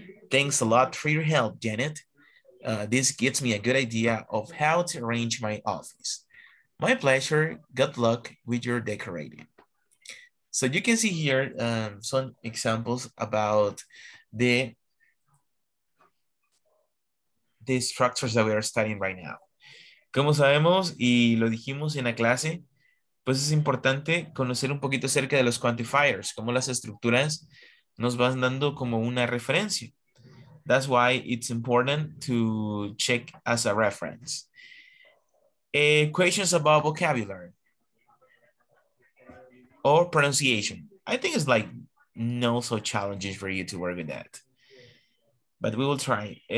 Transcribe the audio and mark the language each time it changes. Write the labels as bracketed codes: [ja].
[en] Thanks a lot for your help, Janet. This gives me a good idea of how to arrange my office. My pleasure. Good luck with your decorating. So you can see here some examples about the structures that we are studying right now. [es] Como sabemos y lo dijimos en la clase, pues es importante conocer un poquito acerca de los quantifiers, cómo las estructuras nos van dando como una referencia. [en] That's why it's important to check as a reference. Questions about vocabulary or pronunciation. I think it's like not so challenging for you to work with that, but we will try.